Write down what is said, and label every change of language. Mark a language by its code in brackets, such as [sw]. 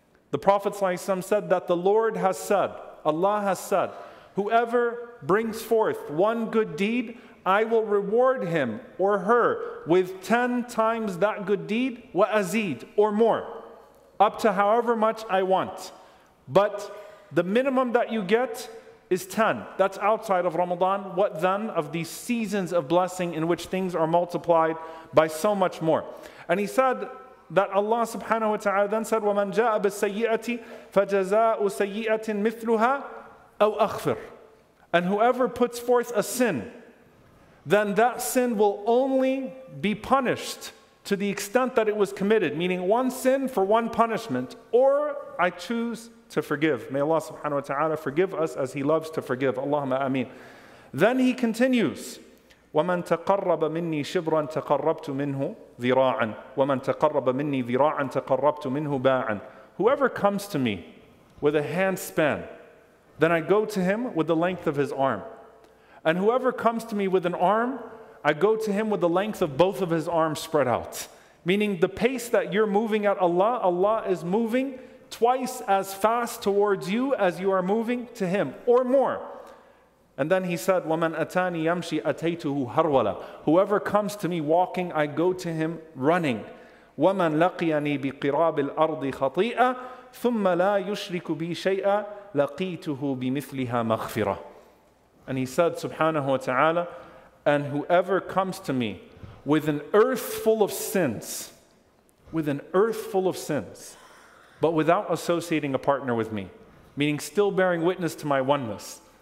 [en] The Prophet ﷺ said that the Lord has said, Allah has said, whoever brings forth one good deed, I will reward him or her with 10 times that good deed, [ar] وأزيد, [en] or more, up to however much I want. But the minimum that you get is 10. That's outside of Ramadan. What then of these seasons of blessing in which things are multiplied by so much more? And he said, that Allah subhanahu wa ta'ala then said, [ar] وَمَنْ جَاءَ بِالسَّيِّئَةِ فَجَزَاءُ سَيِّئَةٍ مِثْلُهَا أَوْ أَخْفِرُ. [en] And whoever puts forth a sin, then that sin will only be punished to the extent that it was committed, meaning one sin for one punishment, or I choose to forgive. May Allah subhanahu wa ta'ala forgive us as He loves to forgive. Allahumma ameen. Then he continues, [ar] وَمَنْ تَقَرَّبَ مِنِّي شِبْرًا تَقَرَّبْتُ مِنْهُ ذِرَاعًا وَمَنْ تَقَرَّبَ مِنِّي ذِرَاعًا تَقَرَّبْتُ مِنْهُ بَاعًا. [en] Whoever comes to me with a hand span, then I go to him with the length of his arm. And whoever comes to me with an arm, I go to him with the length of both of his arms spread out. Meaning the pace that you're moving at Allah, Allah is moving twice as fast towards you as you are moving to him, or more. And then he said, [ar] وَمَنْ أَتَانِي يَمْشِي أَتَيْتُهُ هَرْوَلًا. [en] Whoever comes to me walking, I go to him running. [ar] وَمَنْ لَقِيَنِي بِقِرَابِ الْأَرْضِ خَطِيئًا ثُمَّ لَا يُشْرِكُ بِي شَيْئًا لَقِيتُهُ بِمِثْلِهَا مَغْفِرًا. [en] And he said, subhanahu wa ta'ala, and whoever comes to me with an earth full of sins, with an earth full of sins, but without associating a partner with me, meaning still bearing witness to my oneness.